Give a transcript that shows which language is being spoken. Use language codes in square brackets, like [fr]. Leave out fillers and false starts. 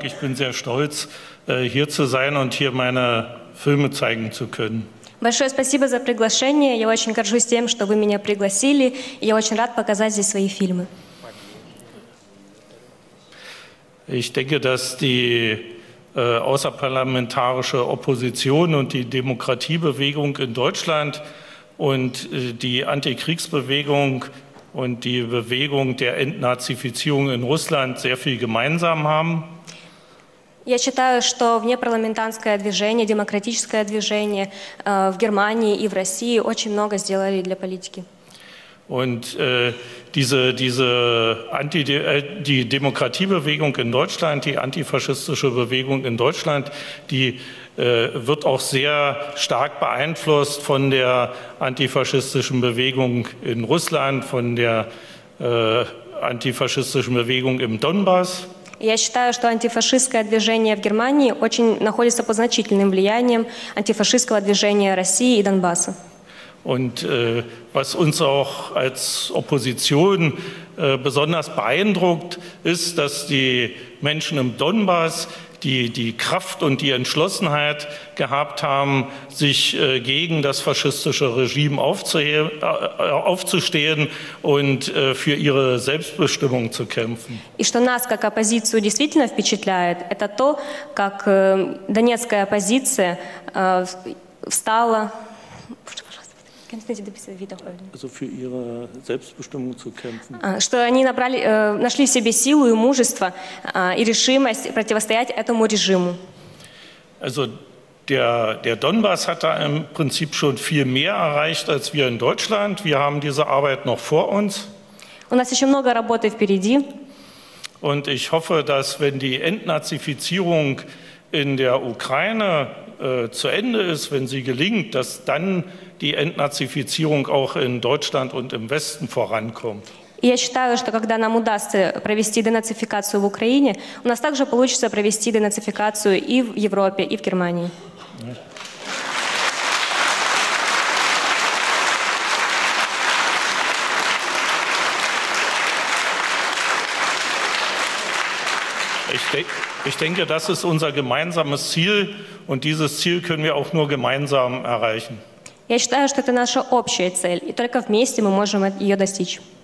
[de] Ich bin sehr stolz, hier zu sein und hier meine Filme zeigen zu können. [ru] Большое спасибо за приглашение. Я очень горжусь тем, что вы меня пригласили. Я очень рад показать здесь свои фильмы. [de] Ich denke, dass die außerparlamentarische Opposition und die Demokratiebewegung in Deutschland und die Antikriegsbewegung und die Bewegung der Entnazifizierung in Russland sehr viel gemeinsam haben. [ru] Я считаю, что внепарламентарное движение, демократическое движение в Германии и в России очень много сделали для политики. [de] Und die Demokratiebewegung in Deutschland, die antifaschistische Bewegung in Deutschland, die wird auch sehr stark beeinflusst von der antifaschistischen Bewegung in Russland, von der antifaschistischen Bewegung im Donbass. [ru] Я считаю, что антифашистское движение в Германии очень находится под значительным влиянием антифашистского движения России и Донбасса. [de] Und was uns auch als Opposition besonders beeindruckt, ist, dass die Menschen im Donbass die Kraft und die Entschlossenheit gehabt haben, sich gegen das faschistische Regime aufzustehen und für ihre Selbstbestimmung zu kämpfen. [ru] И что нас как оппозицию действительно впечатляет, это то, как донецкая оппозиция встала. [de] Also für ihre Selbstbestimmung zu kämpfen. [ru] Что они нашли в себе силу и мужество и решимость противостоять этому режиму. [de] Also der Donbass hat da im Prinzip schon viel mehr erreicht als wir in Deutschland. Wir haben diese Arbeit noch vor uns. [ru] У нас еще много работы впереди. [de] Und ich hoffe, dass wenn die Entnazifizierung in der Ukraine zu Ende ist, wenn sie gelingt, dass dann die Entnazifizierung auch in Deutschland und im Westen vorankommt. [ru] Я считаю, что когда нам удастся провести денацификацию в Украине, у нас также получится провести денацификацию и в Европе, и в Германии. [de] Ich denke, das ist unser gemeinsames Ziel und dieses Ziel können wir auch nur gemeinsam erreichen. [ru] Я считаю, что это наша общая цель, и только вместе мы можем ее достичь.